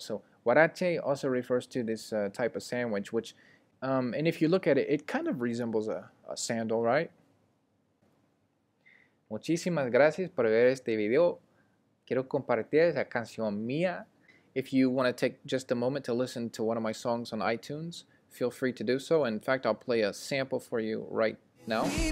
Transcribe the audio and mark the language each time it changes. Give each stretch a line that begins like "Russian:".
English: So huarache also refers to this type of sandwich, which, and if you look at it, it kind of resembles a sandal, right?
Spanish: Muchísimas gracias por ver este video. Quiero compartir esa canción mía.
English: If you want to take just a moment to listen to one of my songs on iTunes, feel free to do so. In fact, I'll play a sample for you right now.